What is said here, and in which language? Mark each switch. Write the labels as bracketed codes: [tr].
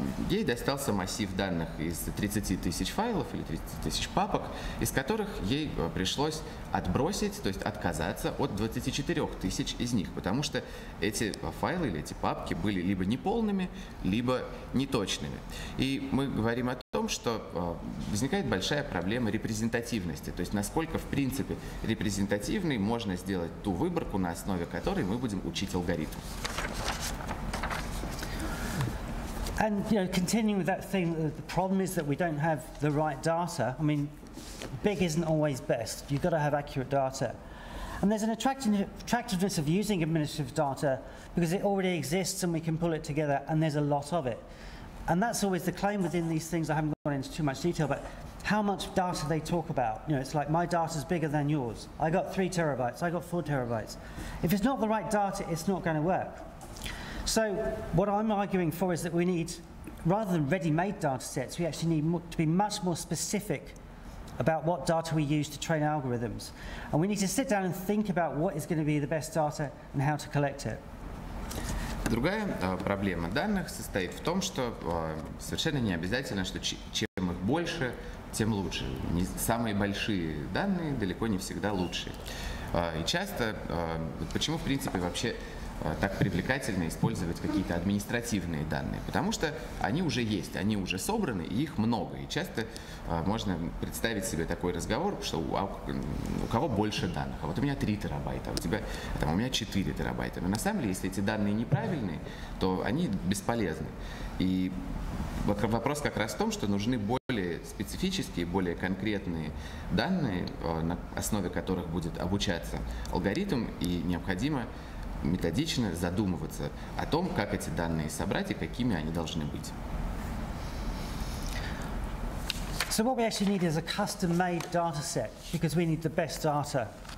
[ru] Ей достался массив данных из 30 тысяч файлов или 30 тысяч папок, из которых ей пришлось отбросить, то есть отказаться от 24 тысяч из них, потому что эти файлы или эти папки были либо неполными, либо неточными. И мы говорим о том, что возникает большая проблема репрезентативности, то есть насколько, в принципе, репрезентативной можно сделать ту выборку, на основе которой мы будем учить алгоритм. [en] And you know, continuing with that thing, the problem is that we don't have the right data. I mean, big isn't always best. You've got to have accurate data. And there's an attractiveness of using administrative data because it already exists and we can pull it together and there's a lot of it. And that's always the claim within these things. I haven't gone into too much detail, but how much data they talk about. You know, it's like, my data's bigger than yours. I got 3 terabytes, I got 4 terabytes. If it's not the right data, it's not going to work. So what I'm arguing for is that we need, rather than ready-made data sets, we actually need to be much more specific about what data we use to train algorithms. And we need to sit down and think about what is going to be the best data and how to collect it. [ru] Другая проблема данных состоит в том, что совершенно не обязательно, что чем их больше, тем лучше. Не, самые большие данные далеко не всегда лучшие. И часто, почему в принципе вообще так привлекательно использовать какие-то административные данные? Потому что они уже есть, они уже собраны, и их много. И часто можно представить себе такой разговор, что у кого больше данных? А вот у меня 3 терабайта, а у тебя там, у меня 4 терабайта. Но на самом деле, если эти данные неправильные, то они бесполезны. И вопрос как раз в том, что нужны более специфические, более конкретные данные, на основе которых будет обучаться алгоритм, и необходимо методично задумываться о том, как эти данные собрать и какими они должны быть. [en] So what we actually need is a custom-made data set, because we need the best data.